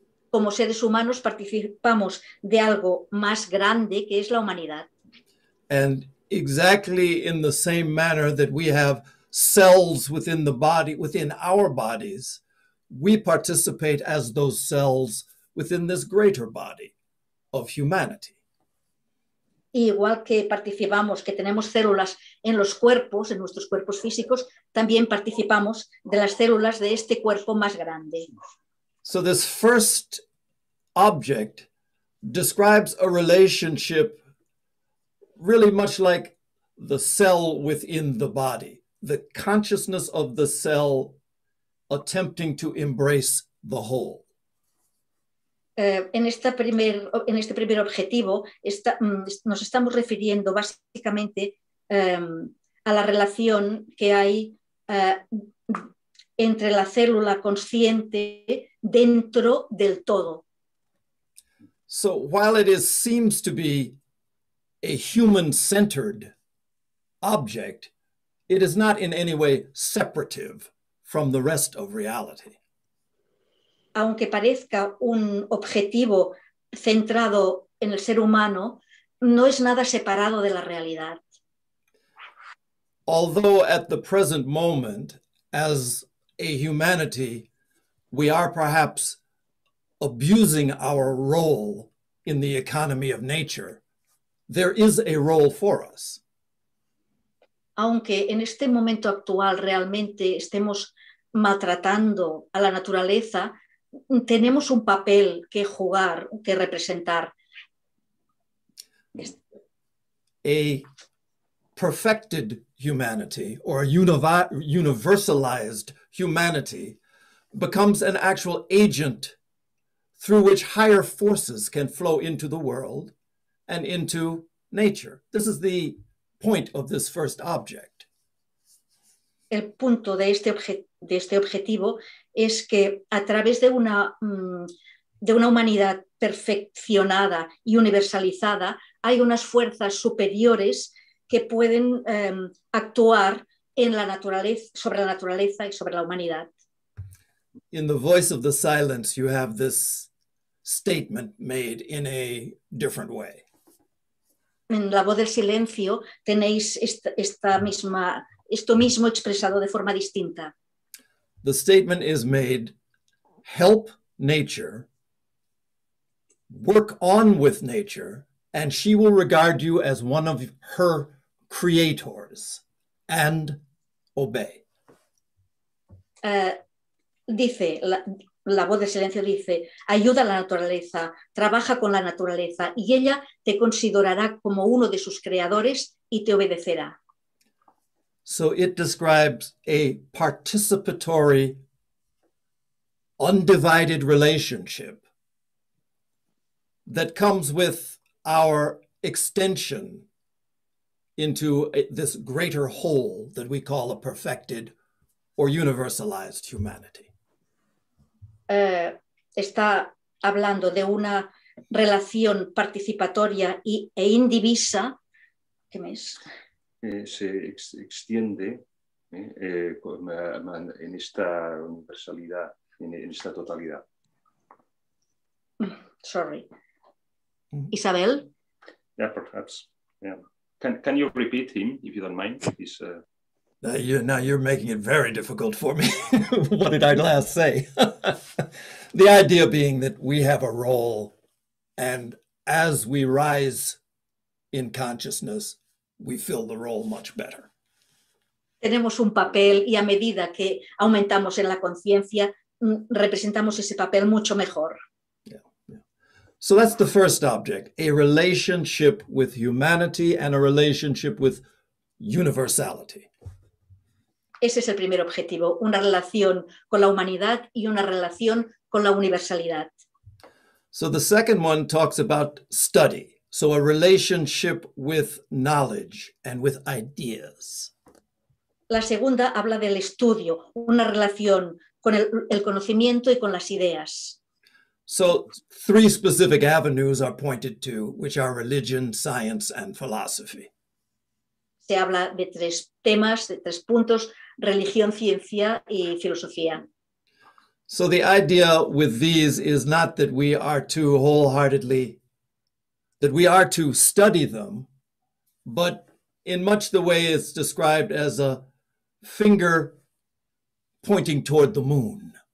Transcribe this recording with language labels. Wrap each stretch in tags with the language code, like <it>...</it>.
<es>Como seres humanos participamos de algo más grande que es la humanidad.</es> <en>And exactly in the same manner that we have cells within the body, within our bodies, we participate as those cells within this greater body of humanity.</en> <es>Y igual que participamos, que tenemos células en los cuerpos, en nuestros cuerpos físicos, también participamos de las células de este cuerpo más grande.</es> <en>So this first object describes a relationship really much like the cell within the body, the consciousness of the cell attempting to embrace the whole.</en> <es>En este primer objetivo nos estamos refiriendo básicamente a la relación que hay entre la célula consciente dentro del todo.</es> <en>So while it seems to be a human-centered object, it is not in any way separative from the rest of reality.</en> <es>Aunque parezca un objetivo centrado en el ser humano, no es nada separado de la realidad.</es> <en>Although at the present moment, as a humanity, we are perhaps abusing our role in the economy of nature, there is a role for us.</en> <es>Aunque en este momento actual realmente estemos maltratando a la naturaleza, tenemos un papel que jugar, que representar.</es> <en>A perfected humanity or a universalized humanity becomes an actual agent through which higher forces can flow into the world and into nature. This is the point of this first object.</en> <es>El punto de este objetivo es que a través de una humanidad perfeccionada y universalizada hay unas fuerzas superiores que pueden actuar en la naturaleza, sobre la naturaleza y sobre la humanidad.</es> <en>In the voice of the silence, you have this statement made in a different way.</en> <es>En la voz del silencio tenéis esto mismo expresado de forma distinta.</es> <en>The statement is made, help nature, work on with nature, and she will regard you as one of her creators and obey.</en> <es>Dice, la voz del silencio dice, ayuda a la naturaleza, trabaja con la naturaleza, y ella te considerará como uno de sus creadores y te obedecerá.</es> <en>So it describes a participatory, undivided relationship that comes with our extension into this greater whole that we call a perfected or universalized humanity.</en> <es>Está hablando de una relación participatoria e indivisa. ¿Qué me es? Se extiende en esta universalidad, en esta totalidad.</es> <en>Sorry. Isabel? Yeah, perhaps. Yeah. Can you repeat him, if you don't mind? Now you're making it very difficult for me. What did I last say? The idea being that we have a role, and as we rise in consciousness, we fill the role much better.</en> <es>Tenemos un papel, y a medida que aumentamos en la conciencia, representamos ese papel mucho mejor.</es> <en>So that's the first object, a relationship with humanity and a relationship with universality.</en> <es>Ese es el primer objetivo, una relación con la humanidad y una relación con la universalidad.</es> <en>So the second one talks about study, so a relationship with knowledge and with ideas.</en> <es>La segunda habla del estudio, una relación con el conocimiento y con las ideas.</es> <en>So three specific avenues are pointed to, which are religion, science, and philosophy.</en> <es>Se habla de tres temas, de tres puntos, religión, ciencia y filosofía.</es> <en>So the idea with these is not that we are to wholeheartedly, that we are to study them, but in much the way it's described as a finger pointing toward the moon.</en>